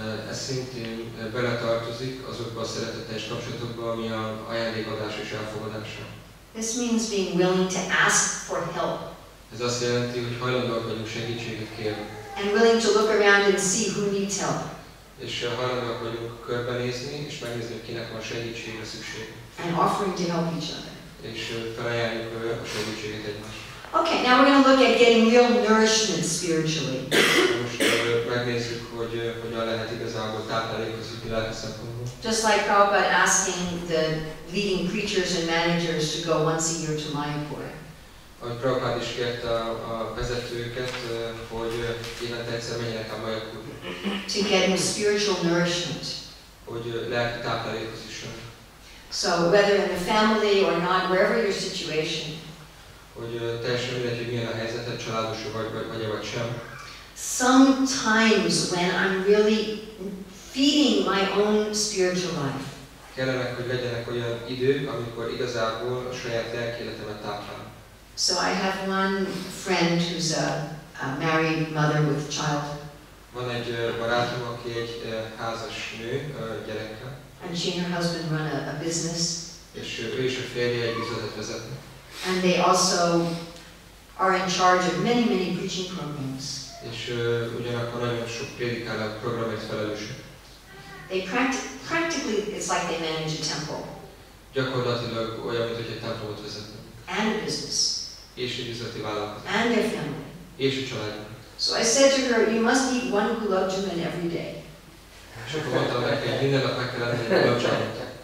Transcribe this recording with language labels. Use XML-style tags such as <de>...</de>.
<hu>Ez szintén beletartozik azokba a szeretetes kapcsolatokba, ami a ajándékadás és elfogadása.</hu> <en>This means being willing to ask for help.</en> <hu>Ez azt jelenti, hogy hajlandóak vagyunk segítséget kérni.</hu> <en>And willing to look around and see who needs help.</en> <hu>És hajlandóak vagyunk körbenézni és megnézni, kinek van segítségre szükség.</hu> <en>And offering to help each other.</en> <hu>És felajánljuk a segítséget egymásnak.</hu> <en>Okay, now we're going to look at getting real nourishment spiritually.</en> <hu>Megnézzük, hogyan lehet igazából táplálékozni lelki szempontból.</hu> <en>Just like Prabhupada asking the leading preachers and managers to go once a year to Mayapur.</en> <hu>Ahogy Prabhupada is kért a vezetőket, hogy évente egyszer menjenek a Mayapurra.</hu> <en>To get the spiritual nourishment.</en> <hu>Hogy lelki táplálékozzon.</hu> <en>So whether in the family or not, wherever your situation.</en> <hu>Hogy teljesen mindegy, hogy milyen a helyzetet, családos vagy sem.</hu> <en>Sometimes when I'm really feeding my own spiritual life.</en> <hu>Kellenek, hogy legyenek olyan idők, amikor igazából a saját lelki életemet táplálom.</hu> <en>So I have one friend who's a married mother with a child.</en> <hu>Van egy barátom, aki egy házas nő gyerekkel.</hu> <en>And she and her husband run a business.</en> <hu>És ő és a férje egy üzletet vezetnek.</hu> <en>And they also are in charge of many, many preaching programs.</en> <hu>És ugyanakkor nagyon sok prédikálat programért felelősek.</hu> <en>They practically, it's like they manage a temple.</en> <hu>Gyakorlatilag olyan, mint hogy egy templomot vezetnek.</hu> <en>And a business.</en> <hu>És egy üzleti vállalkozás.</hu> <en>And their family.</en> <hu>És a család.</hu> <en>So I said to her, you must eat one gulabjamun every day.</en> <hu>És akkor mondtam neki, hogy minden nap meg kell adni egy gulabjamunt.</hu>